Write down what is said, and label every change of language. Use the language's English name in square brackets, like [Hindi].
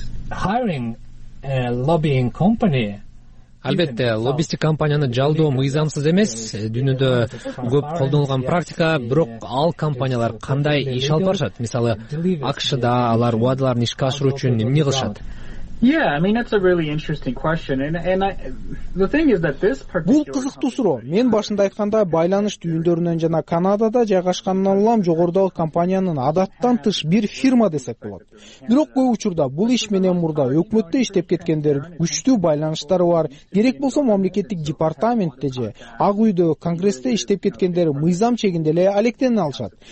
[English] Hiring a lobbying company. [Kyrgyz] Албетте, лоббистик компанияны жалдоо мыйзамсыз эмес, дүйнөдө көп колдонулган практика, бирок ал компаниялар кандай иш алып барышат? Мисалы, АКШда алар убадаларын ишке ашыруу үчүн эмне кылышат? [English] Yeah, I mean that's a really interesting question the thing is that this particular [Kyrgyz] Бул кызыктуу суроо. Мен башында айткандай, байланыш түйүндөрүнөн жана Канадада жайгашканынан улам жогорудагы компаниянын адаттан тыш бир фирма десек болот. Бирок көп учурда бул иш менен мурда өкмөттө иштеп кеткендер күчтүү байланыштары бар. Керек болсо мамлекеттик департаментте же Ак Үйдө, Конгрессте иштеп кеткендер мыйзам чегинде эле алектенип алышат.